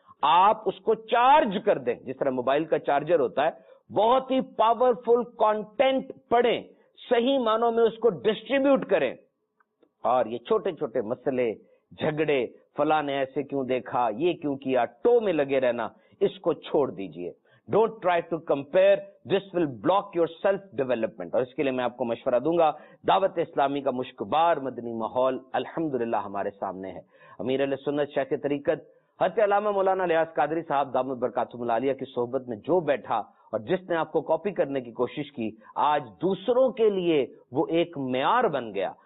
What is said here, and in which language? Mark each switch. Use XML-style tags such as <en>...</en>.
<ur>آپ اس کو چارج کر دیں جس طرح موبائل کا چارجر ہوتا ہے. بہت ہی پاورفل کانٹینٹ پڑھیں, صحیح معنوں میں اس کو ڈسٹریبیوٹ کریں. اور یہ چھوٹے چھوٹے مسئلے, جھگڑے, فلاں نے ایسے کیوں دیکھا, یہ کیوں کیا, ٹو میں لگے رہنا, اس کو چھوڑ دیجئے.</ur> <en>Don't try to compare. This will block your self-development.</en> <ur>اور اس کے لیے میں آپ کو مشورہ دوں گا. دعوت اسلامی کا مشکبار مدنی ماحول الحمدللہ ہمارے سامنے ہے. امیر علیہ سنت شیخ طریقت حضرت علامہ مولانا لیاس قادری صاحب دامت برکاتہم العالیہ کی صحبت میں جو بیٹھا اور جس نے آپ کو کاپی کرنے کی کوشش کی, آج دوسروں کے لیے وہ ایک معیار بن گیا.</ur>